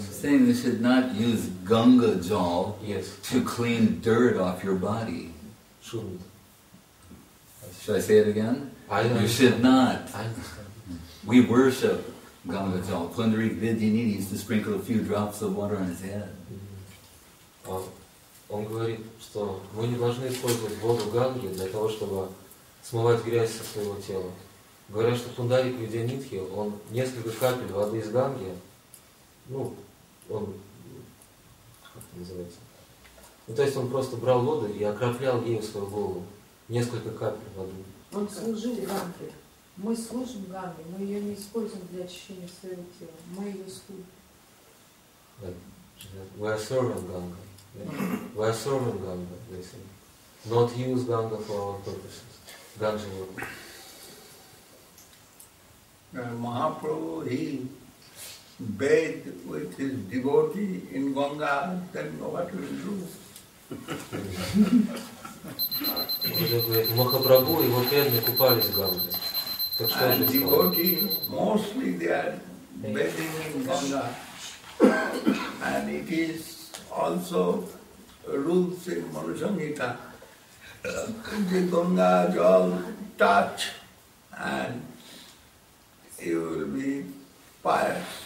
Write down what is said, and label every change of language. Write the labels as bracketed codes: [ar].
[en] Saying you should not use Ganga Jal yes. to clean dirt off your body. Shouldn't. Should I say it again? I understand. You should not. I understand. We worship Ganga Jal. Pundarik Vidyanini needs to sprinkle a few drops of water on his head. [ru] Он говорит, что мы не должны использовать воду Ганги для того, чтобы смывать грязь со своего тела. Говорят, что Пундарик Видьянитхи, он несколько капель воды из Ганги, ну, он, как это называется, ну, то есть он просто брал воду и окроплял ею свою голову, несколько капель воды. Он служил Ганге. Мы служим Ганге, мы ее не используем для очищения своего тела, мы ее служим. [en] We are serving Ganga. We are serving Ganga, they say. Not use Ganga for our purposes. Ganga water. Mahaprabhu, he bathed with his devotee in Ganga, then what will do? [ru] Mahaprabhu [en] and his [ru] преданные купались в Ганге. [en] And devotee, mostly they are bathing in Ganga. And it is also rules in Manusanghita. The Ganga jal touch and you will be pious.